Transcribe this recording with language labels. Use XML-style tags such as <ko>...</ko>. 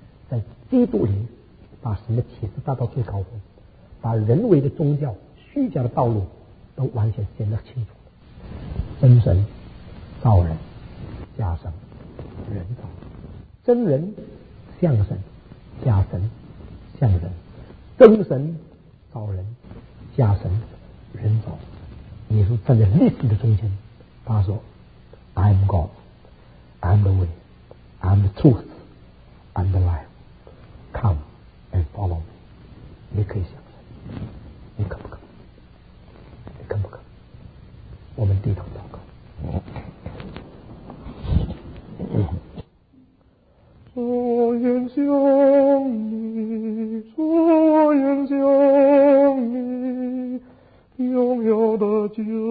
<zh>在基督里，把神的启示带到最高峰，把人为的宗教、虚假的道路都完全显得清楚。真神造人，假神人造，真人像神，假神像人，真神造人，假神人造。耶稣站在历史的中间，他说</zh> <en>I am God, I am the way, I am the truth, I am the life, come and follow me.</en> <zh>你可以想想，你可不可，你可不可，我们低头祷告。主愿将你，主愿将你，拥有的救</zh>